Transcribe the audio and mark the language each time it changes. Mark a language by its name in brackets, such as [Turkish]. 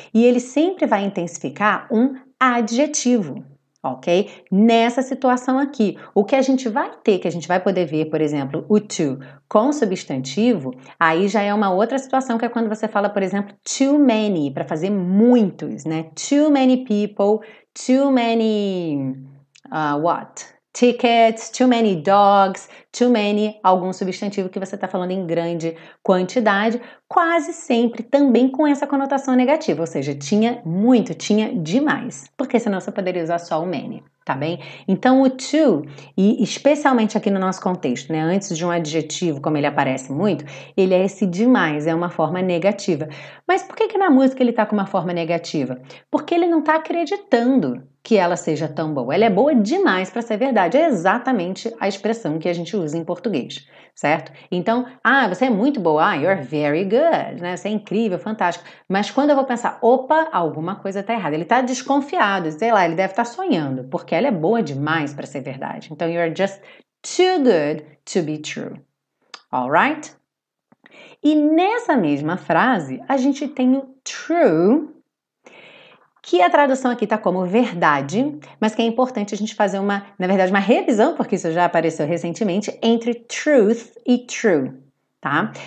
[Portuguese] E ele sempre vai intensificar um adjetivo, ok? Nessa situação aqui, o que a gente vai ter, que a gente vai poder ver, por exemplo, o to com substantivo, aí já é uma outra situação, que é quando você fala, por exemplo, too many, para fazer muitos, né? [English] Too many people, too many, what? Tickets, too many dogs, [Portuguese] too many, algum substantivo que você está falando em grande quantidade, quase sempre também com essa conotação negativa, ou seja, tinha muito, tinha demais, porque senão você poderia usar só o many, tá bem? Então o too, e especialmente aqui no nosso contexto, né, antes de um adjetivo, como ele aparece muito, ele é esse demais, é uma forma negativa. Mas por que que na música ele está com uma forma negativa? Porque ele não está acreditando que ela seja tão boa. Ela é boa demais para ser verdade. É exatamente a expressão que a gente usa em português, certo? Então, ah, você é muito boa. [English] Ah, you're very good, [Portuguese] né? Você é incrível, fantástico. Mas quando eu vou pensar, opa, alguma coisa tá errada. Ele tá desconfiado, sei lá, ele deve estar sonhando, porque ela é boa demais para ser verdade. Então, [English] you're just too good to be true. All right? [Portuguese] E nessa mesma frase, a gente tem o true, que a tradução aqui está como verdade, mas que é importante a gente fazer uma, na verdade, uma revisão, porque isso já apareceu recentemente, entre truth e true, tá?